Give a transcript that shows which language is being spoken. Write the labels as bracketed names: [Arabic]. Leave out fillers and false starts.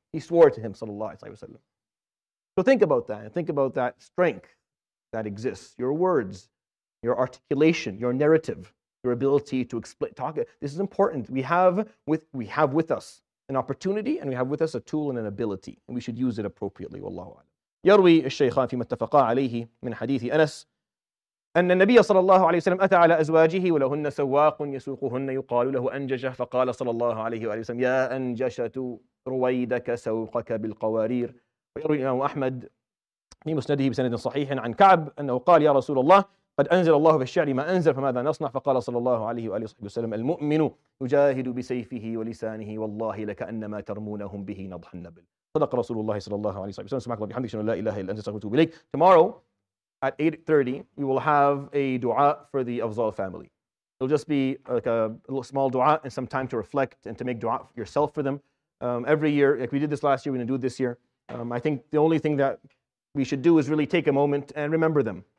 [English] He swore to him, sallallahu alayhi wa sallam. So think about that, and think about that strength that exists. Your words, your articulation, your narrative, your ability to explain, talk. This is important. We have with us an opportunity, and we have with us a tool and an ability, and we should use it appropriately, wallahu a'lam. [Arabic] يروي الشيخان في متفقا عليه من حديث أنس أن النبي صلى الله عليه وسلم أتى على أزواجه ولهن سواق يسوقهن يقال له أنجشة فقال صلى الله عليه وسلم يا أنجشة رويدك سوقك بالقوارير. ويروي الإمام أحمد في مسنده بسند صحيح عن كعب أنه قال يا رسول الله قد أنزل الله في الشعر ما أنزل فماذا نصنع؟ فقال صلى الله عليه وآله وسلم المؤمن يجاهد بسيفه ولسانه والله لكأنما ترمونهم به نضح النبل. صدق رسول الله صلى الله عليه وسلم. سبحانك اللهم وبحمدك لا إله إلا أنت استغفرك وأتوب إليك. [English] Tomorrow at 8:30 we will have a dua for the Afzal family. It'll just be like a little small dua and some time to reflect and to make dua yourself for them. Every year, like we did this last year, we're going to do it this year. I think the only thing that we should do is really take a moment and remember them.